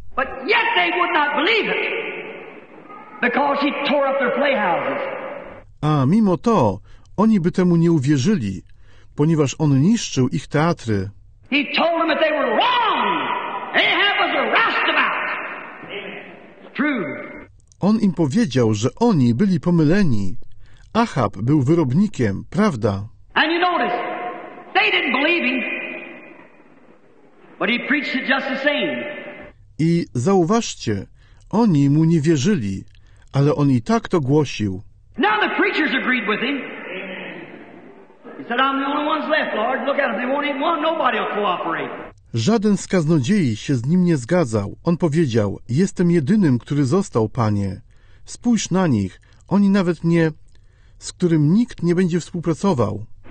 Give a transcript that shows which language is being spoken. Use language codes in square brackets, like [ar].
[en] But yet they would not believe it, because he tore up their playhouses. [pl] A mimo to, oni by temu nie uwierzyli, ponieważ on niszczył ich teatry. [en] He told them that they were wrong. Ahab was a roustabout. True. [pl] On im powiedział, że oni byli pomyleni. Ahab był wyrobnikiem, prawda? [en] And you notice, they didn't believe him, but he preached it just the same. [pl] I zauważcie, oni mu nie wierzyli, ale on i tak to głosił. [en] Now the preachers agreed with him. He said, I'm the only ones left, Lord. Look at them. They won't even want nobody to cooperate. [pl] Żaden z kaznodziei się z nim nie zgadzał. On powiedział, jestem jedynym, który został, Panie. Spójrz na nich, oni nawet nie, z którym nikt nie będzie współpracował.